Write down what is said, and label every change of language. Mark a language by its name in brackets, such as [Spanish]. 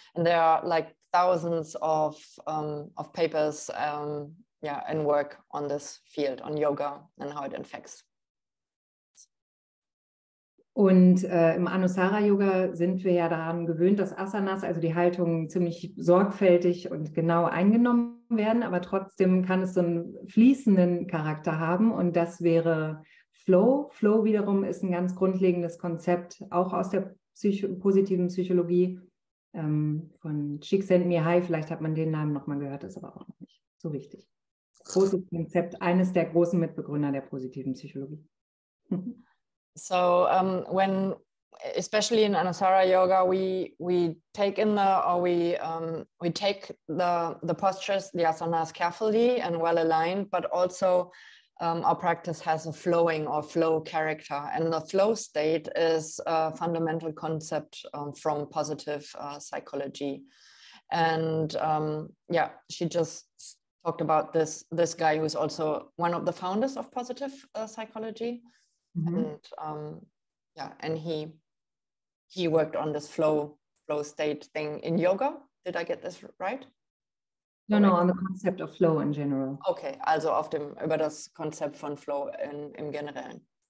[English] And there are like thousands of papers and work on this field, on yoga and how it affects. [German] Und im Anusara-Yoga sind wir ja daran gewöhnt, dass Asanas, also die Haltung, ziemlich sorgfältig und genau eingenommen werden. Aber trotzdem kann es so einen fließenden Charakter haben. Und das wäre Flow. Flow wiederum ist ein ganz grundlegendes Konzept, auch aus der positiven Psychologie von Csikszentmihalyi. Vielleicht hat man den Namen nochmal gehört, ist aber auch noch nicht so wichtig. Großes Konzept, eines der großen Mitbegründer der positiven Psychologie. [English] So when, especially in Anusara Yoga, we take the postures, the asanas, carefully and well aligned, but also our practice has a flowing or flow character, and the flow state is a fundamental concept from positive psychology, and she just talked about this guy who's also one of the founders of positive psychology. Mm-hmm. And he worked on this flow state thing in yoga. Did I get this right? No, on the concept of flow in general. [German] Okay, also über das Konzept von Flow im Generellen.